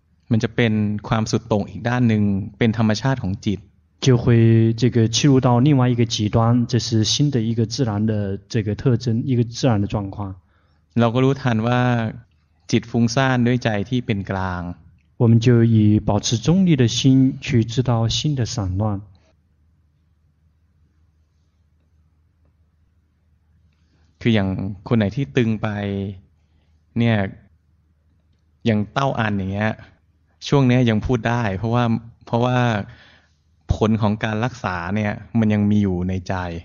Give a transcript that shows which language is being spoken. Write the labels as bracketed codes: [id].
[th] มันจะเป็นความสุดโต่งอีกด้านหนึ่งเป็นธรรมชาติของจิต [zh] 就会这个切入到另外一个极端，这是新的一个自然的这个特征，一个自然的状况。 [th] เราก็รู้ทันว่าจิตฟุ้งซ่านด้วยใจที่เป็นกลาง [zh] 我们就以保持中立的心去知道心的散乱。 [th] คืออย่างคนไหนที่ตึงไปเนี่ยอย่างเต้าอันอย่างเงี้ยช่วงนี้ยังพูดได้เพราะว่าผลของการรักษาเนี่ยมันยังมีอยู่ในใจ